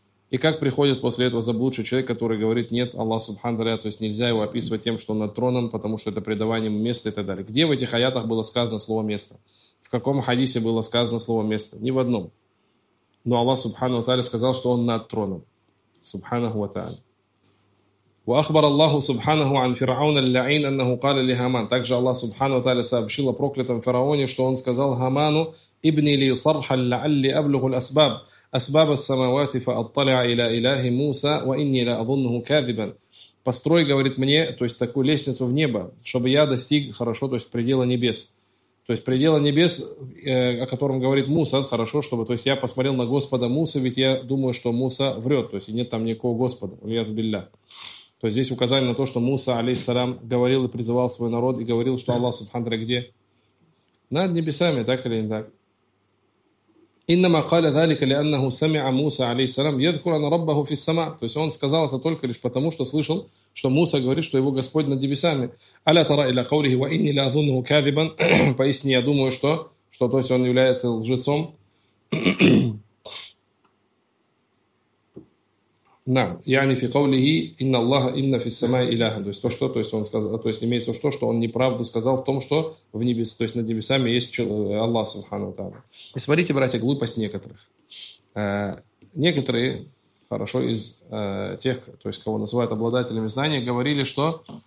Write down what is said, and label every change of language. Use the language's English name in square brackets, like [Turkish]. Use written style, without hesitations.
[Russian] И как приходит после этого заблудший человек, который говорит: нет, Аллах Субхану ва Тааля, то есть нельзя его описывать тем, что он над троном, потому что это предавание ему места и так далее. Где в этих аятах было сказано слово «место»? В каком хадисе было сказано слово «место»? Ни в одном. Но Аллах Субхану ва Тааля сказал, что он над троном. Субханаху ва Тааля. [Arabic] وأخبر الله سبحانه عن فرعون اللعين أنه قال لهامان. [Russian] Также Аллах سبحانه وتعالى сообщил о проклятом фараоне, что он сказал Хаману: [Arabic] ابني لي صرحا لعلي أبلغ الأسباب أسباب السماوات فأطلع إلى إله موسى وإني لا أظنه كاذبا. [Russian] Построй, говорит мне, то есть такую лестницу в небо, чтобы я достиг хорошо, то есть предела небес. То есть предела небес, о котором говорит Муса, хорошо, чтобы, то есть я посмотрел на Господа Муса, ведь я думаю, что Муса врет, то есть нет там никакого Господа, ульяду билля. То есть здесь указание на то, что Муса, алейхиссалям, говорил и призывал свой народ и говорил, что Аллах Субхану ва Тааля где? Над небесами, так или не так? «Иннама каля далика ли аннаху самиа Муса, алейхиссалям, ядкурана раббаху фиссама». То есть он сказал это только лишь потому, что слышал, что Муса говорит, что его Господь над небесами. «Аля тара иля каурихи ва инни ля азунну кадибан». Поистине я думаю, что то есть он является лжецом. [Arabic] На, يعني في قوله إن الله إن في السماء إله. [Russian] То есть то, что он сказал, то есть имеется что, что он неправду сказал в том, что в небес, то есть над небесами есть Аллах Субхану ва Тааля. И смотрите, братья, глупость некоторых. Некоторые, хорошо, из тех, то есть кого называют обладателями знания, говорили, что